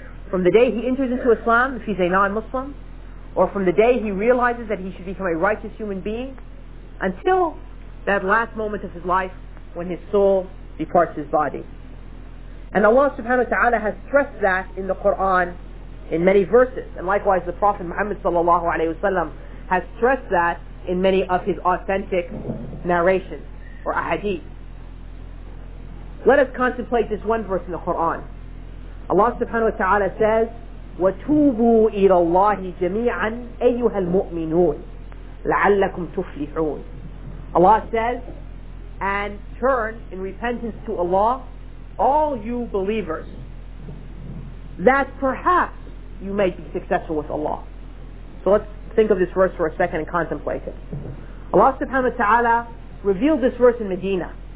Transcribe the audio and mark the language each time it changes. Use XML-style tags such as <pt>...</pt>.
<en>From the day he enters into Islam, if he's a non-Muslim, or from the day he realizes that he should become a righteous human being, until that last moment of his life when his soul departs his body. And Allah subhanahu wa ta'ala has stressed that in the Quran in many verses. And likewise, the Prophet Muhammad sallallahu alayhi wa sallam has stressed that in many of his authentic narrations or ahadith. Let us contemplate this one verse in the Quran. Allah subhanahu wa ta'ala says,</en> <ar>وَتُوبُوا إِلَى اللَّهِ جَمِيعًا أَيُّهَا الْمُؤْمِنُونَ لَعَلَّكُمْ تُفْلِحُونَ.</ar> <en>Allah says, and turn in repentance to Allah, all you believers, that perhaps you may be successful with Allah. So let's think of this verse for a second and contemplate it. Allah subhanahu wa ta'ala revealed this verse in Medina.</en>